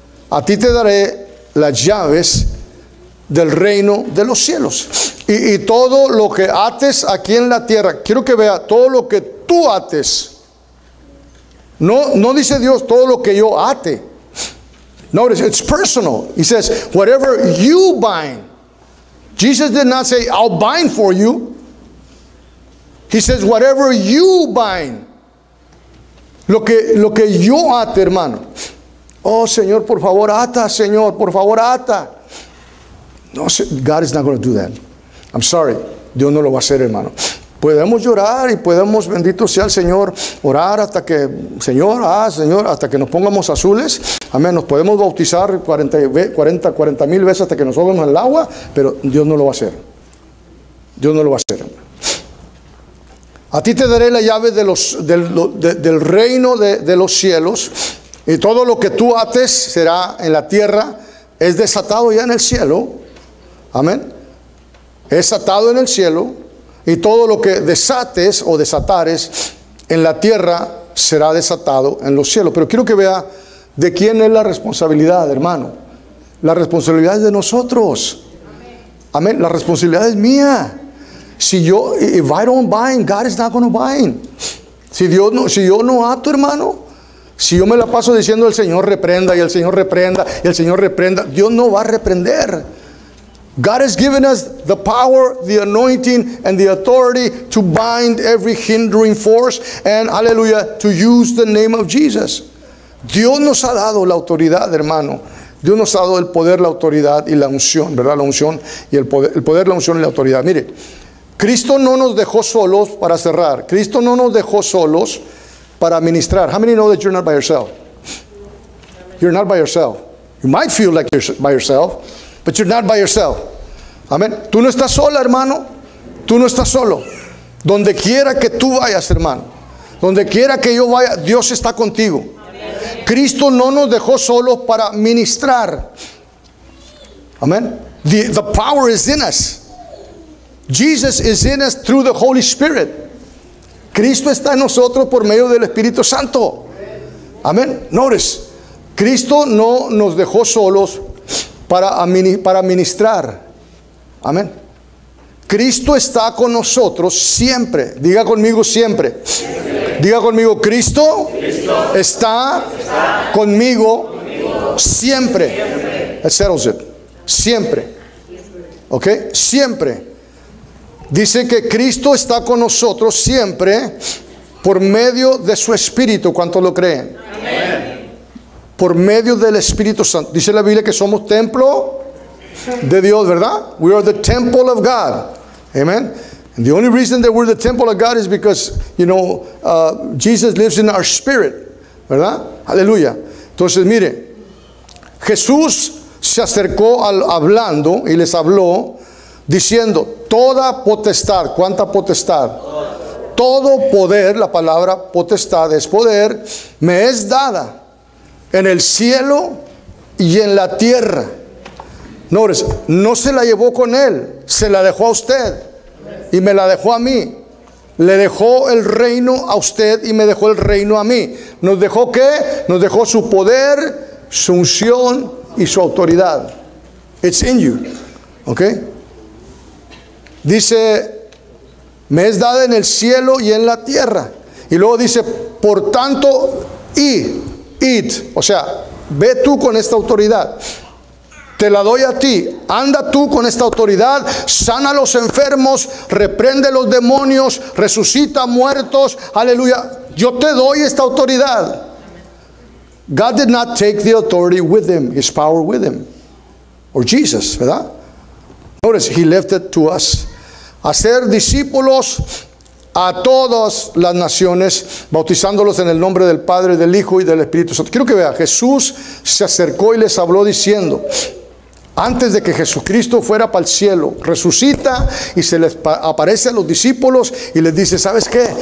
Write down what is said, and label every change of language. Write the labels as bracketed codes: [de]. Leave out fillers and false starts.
[es] A ti te daré las llaves del reino de los cielos. Y todo lo que ates aquí en la tierra, quiero que vea, todo lo que tú ates, no dice Dios, todo lo que yo ate. [en] Notice, it's personal. He says, whatever you bind. Jesus did not say, I'll bind for you. He says, whatever you bind. [es] Lo que yo ate, hermano. Oh, Señor, por favor, ata, Señor, por favor, ata. [en] No, God is not going to do that. I'm sorry, [es] Dios no lo va a hacer, hermano. Podemos llorar y podemos, bendito sea el Señor, orar hasta que, Señor, Señor, hasta que nos pongamos azules. Amén, nos podemos bautizar 40 mil veces hasta que nos ahoguemos en el agua, pero Dios no lo va a hacer. Dios no lo va a hacer. A ti te daré la llave del reino de los cielos, y todo lo que tú ates será en la tierra, es desatado ya en el cielo. Amén. Es atado en el cielo y todo lo que desates o desatares en la tierra será desatado en los cielos. Pero quiero que vea de quién es la responsabilidad, hermano. La responsabilidad es de nosotros. Amén. La responsabilidad es mía. Si yo, [en] if I don't bind, God is not going to bind. [es] Si yo no ato, hermano, si yo me la paso diciendo el Señor reprenda y el Señor reprenda y el Señor reprenda, Dios no va a reprender. [en] God has given us the power, the anointing, and the authority to bind every hindering force and, hallelujah, to use the name of Jesus. [es] Dios nos ha dado la autoridad, hermano. Dios nos ha dado el poder, la autoridad y la unción, ¿verdad? La unción y el poder, la unción y la autoridad. Mire, Cristo no nos dejó solos para cerrar. Cristo no nos dejó solos para ministrar. [en] How many know that you're not by yourself? You're not by yourself. You might feel like you're by yourself. But you're not by yourself. Amén. [es] Tú no estás sola, hermano. Tú no estás solo. Donde quiera que tú vayas, hermano. Donde quiera que yo vaya, Dios está contigo. Amén. Cristo no nos dejó solos para ministrar. Amén. [en] The power is in us. Jesus is in us through the Holy Spirit. [es] Cristo está en nosotros por medio del Espíritu Santo. Amén. Notice. Cristo no nos dejó solos para ministrar. Amén. Cristo está con nosotros siempre. Diga conmigo siempre. Siempre. Diga conmigo, Cristo, Cristo está conmigo siempre. Siempre. [en] That settles it. [es] Siempre. Ok. Siempre. Dice que Cristo está con nosotros siempre por medio de su Espíritu. ¿Cuántos lo creen? Amén. Por medio del Espíritu Santo. Dice la Biblia que somos templo de Dios, ¿verdad? [en] We are the temple of God. Amen. And the only reason that we're the temple of God is because, you know, Jesus lives in our spirit. [es] ¿Verdad? Aleluya. Entonces, mire. Jesús se acercó hablando y les habló diciendo, toda potestad. ¿Cuánta potestad? Todo poder, la palabra potestad es poder, me es dada. En el cielo y en la tierra. Notice, no se la llevó con él. Se la dejó a usted. Y me la dejó a mí. Le dejó el reino a usted y me dejó el reino a mí. ¿Nos dejó qué? Nos dejó su poder, su unción y su autoridad. [en] It's in you. [es] ¿Ok? Dice, me es dada en el cielo y en la tierra. Y luego dice, por tanto, y... Id, o sea, ve tú con esta autoridad. Te la doy a ti. Anda tú con esta autoridad. Sana a los enfermos. Reprende los demonios. Resucita muertos. Aleluya. Yo te doy esta autoridad. [en] God did not take the authority with him, his power with him. Or Jesus, ¿verdad? Notice, he left it to us. [es] Hacer discípulos a todas las naciones, bautizándolos en el nombre del Padre, del Hijo y del Espíritu Santo. Quiero que vea, Jesús se acercó y les habló diciendo, antes de que Jesucristo fuera para el cielo, resucita y se les aparece a los discípulos y les dice, ¿sabes qué?